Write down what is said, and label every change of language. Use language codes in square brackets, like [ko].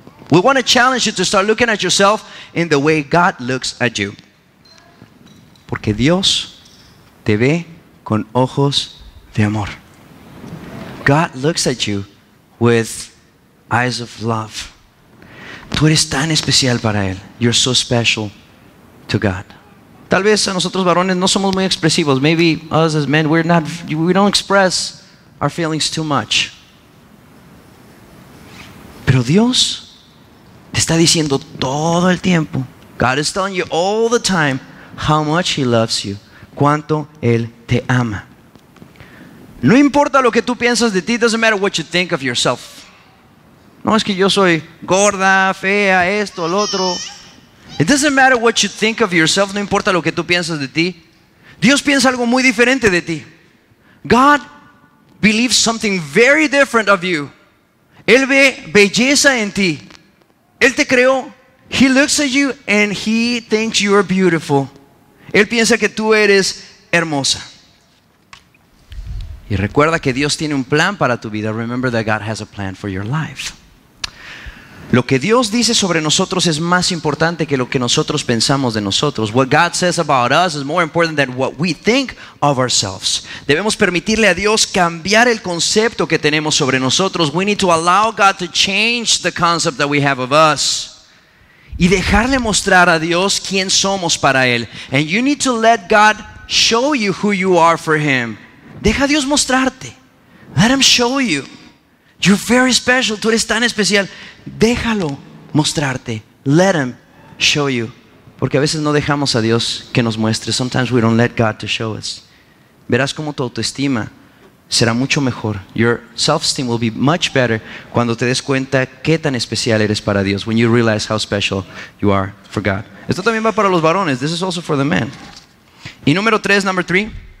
[en] We want to challenge you to start looking at yourself in the way God looks at you. [es] Porque Dios te ve con ojos de amor. [en] God looks at you with eyes of love. [es] Tú eres tan especial para Él. [en] You're so special to God. [es] Tal vez a nosotros varones no somos muy expresivos. [en] Maybe us as men, we don't express our feelings too much. [es] Pero Dios te está diciendo todo el tiempo. [en] God is telling you all the time how much He loves you. [es] Cuánto Él te ama. No importa lo que tú piensas de ti. [en] It doesn't matter what you think of yourself. [es] No es que yo soy gorda, fea, esto, lo otro. [en] It doesn't matter what you think of yourself. [es] No importa lo que tú piensas de ti. Dios piensa algo muy diferente de ti. [en] God believes something very different of you. [es] Él ve belleza en ti. Él te creó. [en] He looks at you and He thinks you are beautiful. [es] Él piensa que tú eres hermosa. Y recuerda que Dios tiene un plan para tu vida. [en] Remember that God has a plan for your life. [es] Lo que Dios dice sobre nosotros es más importante que lo que nosotros pensamos de nosotros. [en] What God says about us is more important than what we think of ourselves. [es] Debemos permitirle a Dios cambiar el concepto que tenemos sobre nosotros. [en] We need to allow God to change the concept that we have of us. [es] Y dejarle mostrar a Dios quién somos para Él. [en] And you need to let God show you who you are for Him. [es] Deja a Dios mostrarte. [en] Let Him show you. You're very special. [es] Tú eres tan especial. Déjalo mostrarte. [en] Let Him show you. [es] Porque a veces no dejamos a Dios que nos muestre. [en] Sometimes we don't let God to show us. [es] Verás cómo tu autoestima será mucho mejor. [en] Your self-esteem will be much better [es] cuando te des cuenta qué tan especial eres para Dios. [en] When you realize how special you are for God. [es] Esto también va para los varones. [en] This is also for the men. [es] Y número tres, [en] number three.